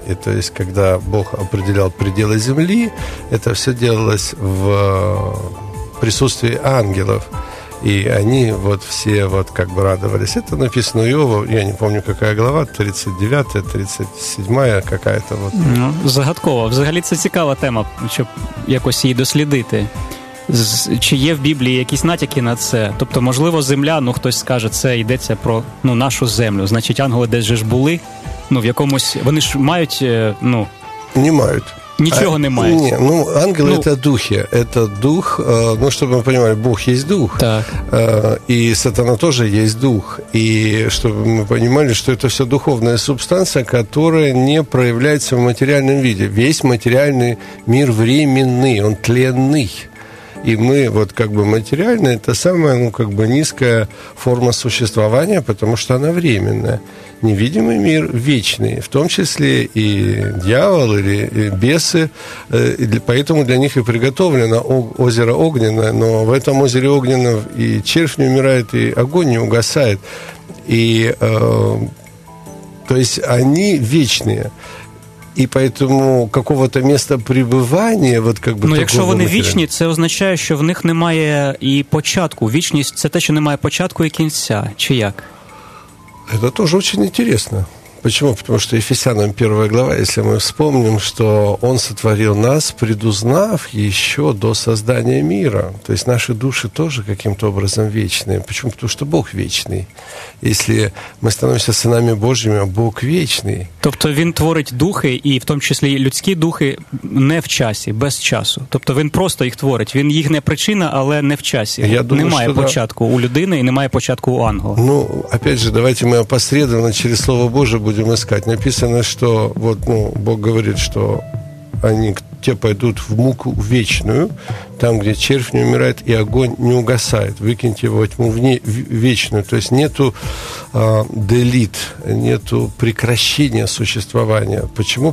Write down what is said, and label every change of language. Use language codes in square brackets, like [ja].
[ru] И то есть, когда Бог определял пределы земли, это все делалось в присутствии ангелов. И они вот все вот как бы радовались. Это написано у Иова, я не помню, какая глава, 39-я, 37-я какая-то. Вот. [uk] Ну, загадково. Взагалі, це цікава тема, щоб якось її дослідити. Чи є в Біблії якісь натяки на це? Тобто, можливо, земля, хтось скаже, це йдеться про нашу землю. Значить, ангели десь же ж були, в якомусь... Вони ж мають, Не мають. Нічого не мають. Ні, ангели – це духи. Це дух, щоб ми розуміли, Бог є дух. Так. І сатана теж є дух. І щоб ми розуміли, що це все духовна субстанція, яка не проявляється в матеріальному виді. Весь матеріальний мир временний, він тленний. [ru] И мы вот как бы материально, это самая, низкая форма существования, потому что она временная. Невидимый мир вечный, в том числе и дьявол, или бесы. Поэтому для них и приготовлено озеро огненное. Но в этом озере огненном и червь не умирает, и огонь не угасает. То есть они вечные. І поэтому какого-то места пребывания, [uk] якщо вони вічні, це означає, що в них немає і початку. Вічність – це те, що немає початку і кінця. Чи як? Це теж дуже цікаво. Почему? [ru] Потому что Ефесянам 1 глава, если мы вспомним, что Он сотворил нас, предузнав еще до создания мира. То есть наши души тоже каким-то образом вечные. Почему? Потому что Бог вечный. Если мы становимся сынами Божьими, а Бог вечный. [uk] Тобто Він творить духи, і в тому числі людські духи, не в часі, без часу. Тобто Він просто їх творить. Він їх не причина, але не в часі. Я думаю, немає що початку у людини і немає початку у ангела. [ru] Ну, опять же, давайте ми опосередовано через Слово Боже будем искать. Написано, что вот, ну, Бог говорит, что они, те пойдут в муку вечную, там, где червь не умирает и огонь не угасает. Выкиньте его во тьму вечную. То есть нету делит, нету прекращения существования. Почему?